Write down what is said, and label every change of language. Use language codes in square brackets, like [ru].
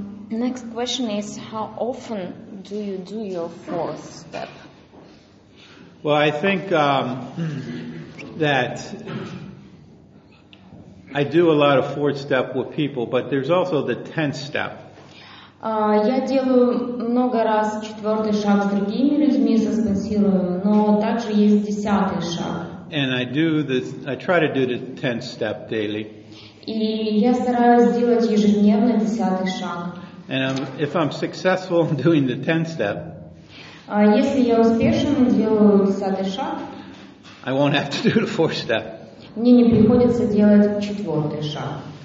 [en] Next question is, how often do you do your fourth step? Well, I think that I do a lot of fourth step with people, but there's also the tenth step. [ru] Я делаю много раз четвертый шаг с другими людьми, со спонсируемыми, но также есть десятый шаг. [en] And I try to do the tenth step daily. [ru] И я стараюсь сделать ежедневно десятый шаг. [en] And if I'm successful doing the tenth step, [ru] если я успешен и делаю десятый шаг, [en] I won't have to do the fourth step. [ru] Мне не приходится делать четвертый шаг.